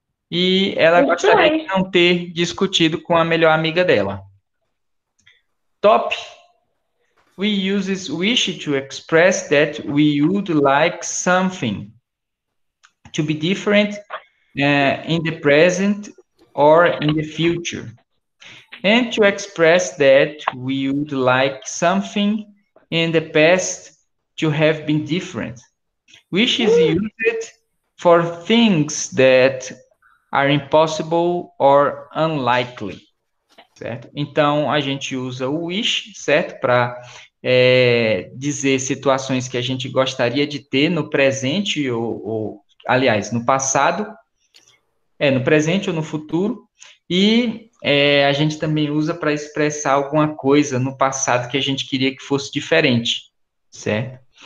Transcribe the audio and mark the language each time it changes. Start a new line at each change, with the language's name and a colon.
Portuguese: E ela gostaria de não ter discutido com a melhor amiga dela. Top!
English: We use wish to express that we would like something to be different in the present or in the future. And to express that we would like something in the past to have been different. Wish is used for things that are impossible or unlikely.
Portuguese: Certo? Então, a gente usa o wish, certo? Para dizer situações que a gente gostaria de ter no presente ou aliás, no passado, no presente ou no futuro, e a gente também usa para expressar alguma coisa no passado que a gente queria que fosse diferente, certo?